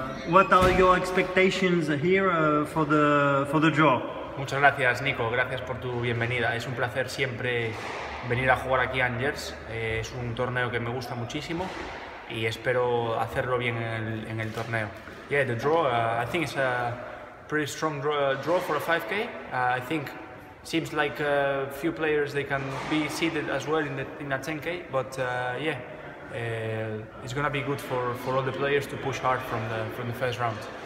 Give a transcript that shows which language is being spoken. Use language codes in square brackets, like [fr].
[en] What are your expectations here for the draw? [es] Muchas gracias, Nico. Gracias por tu bienvenida. Es un placer siempre venir a jugar aquí a Angers. Es un torneo que me gusta muchísimo y espero hacerlo bien en el torneo. [en] Yeah, the draw. I think it's a pretty strong draw for a 5K. I think seems like a few players they can be seeded as well in a 10K. But it's gonna be good for all the players to push hard from the first round.